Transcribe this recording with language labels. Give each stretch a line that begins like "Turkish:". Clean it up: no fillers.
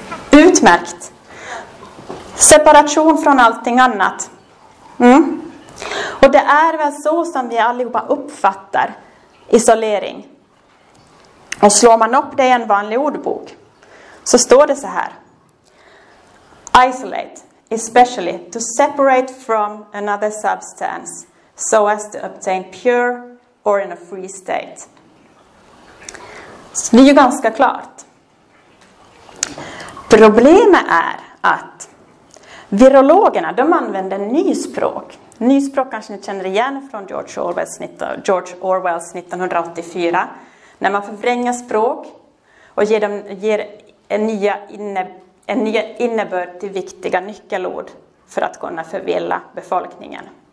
Swedish: Utmärkt. Separation från allting annat. Och det är väl så som vi allihopa uppfattar isolering. Och slår man upp det i en vanlig ordbok så står det så här.
English: Isolate, especially to separate from another substance so as to obtain pure or in a free state.
Swedish: Så det är ju ganska klart. Problemet är att virologerna, de använder nyspråk. Nyspråk kanske ni känner igen från George Orwells 1984. När man förvränger språk och ger en ny innebörd till viktiga nyckelord för att kunna förvilla befolkningen.